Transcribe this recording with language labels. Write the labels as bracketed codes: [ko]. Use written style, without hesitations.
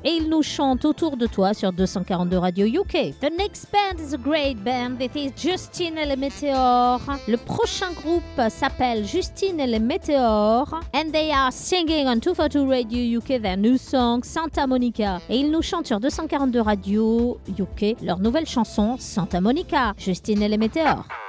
[fr] Et ils nous chantent Autour de Toi sur 242 Radio UK. [en] The next band is a great band. It is Justin et les Météores. [fr] Le prochain groupe s'appelle Justin et les Météores. [en] And they are singing on 242 Radio UK their new song Santa Monica. [fr] Et ils nous chantent sur 242 Radio UK, leur nouvelle chanson Santa Monica, Justine et les Météores.